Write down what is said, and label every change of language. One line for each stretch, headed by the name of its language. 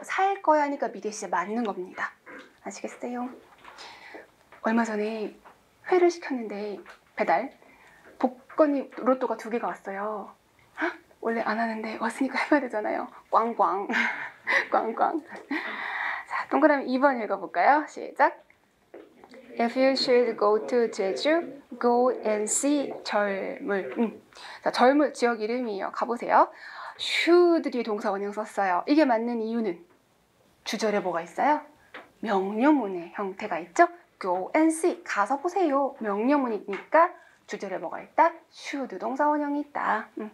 Korean: 살 거야니까 미래시제 맞는 겁니다. 아시겠어요? 얼마 전에 회를 시켰는데 배달 복권이 로또가 두 개가 왔어요. 원래 안 하는데 왔으니까 해봐야 되잖아요. 꽝꽝. 꽝꽝. 자, 동그라미 2번 읽어볼까요? 시작.
English: If you should go to Jeju, go and see 절물.
Korean: 자, 절물 지역 이름이에요. 가보세요. Should 뒤에 동사 원형 썼어요. 이게 맞는 이유는 주절에 뭐가 있어요? 명령문의 형태가 있죠?
English: Go and see.
Korean: 가서 보세요. 명령문이니까 주절에 뭐가 있다? Should 동사 원형이 있다.